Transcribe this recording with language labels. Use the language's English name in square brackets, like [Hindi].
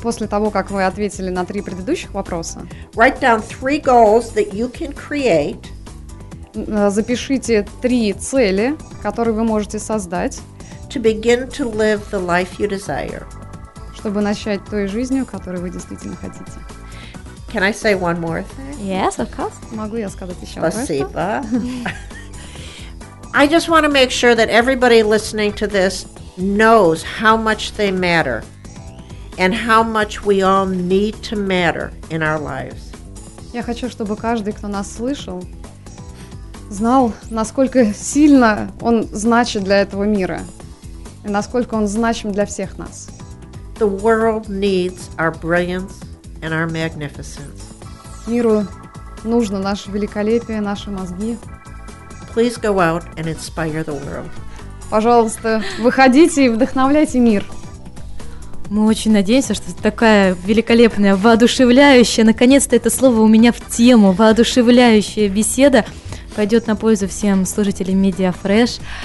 [Russian] после того, как вы ответили на три предыдущих вопроса, [English] write down three goals that you can create. [Russian] Запишите три цели, которые вы можете создать. [English] To begin to live the life you desire. [Russian] Чтобы начать той жизнью, которую вы действительно хотите. [English] Can I say one more thing? Yes, of course. [Russian] Могу я сказать еще раз? Спасибо. [English] I just want to make sure that everybody listening to this knows how much they matter and how much we all need to matter in our lives. [Russian] Я хочу, чтобы каждый, кто нас слышал, знал, насколько сильно он значит для этого мира и насколько он значим для всех нас. [English] The world needs our brilliance and our magnificence. [Russian] Миру нужно наше великолепие, наши мозги. [English] Please go out and inspire the world. [Russian] Пожалуйста, выходите и вдохновляйте мир. Мы очень надеемся, что такая великолепная, воодушевляющая, наконец-то это слово у меня в тему, воодушевляющая беседа пойдет на пользу всем слушателям Media Fresh.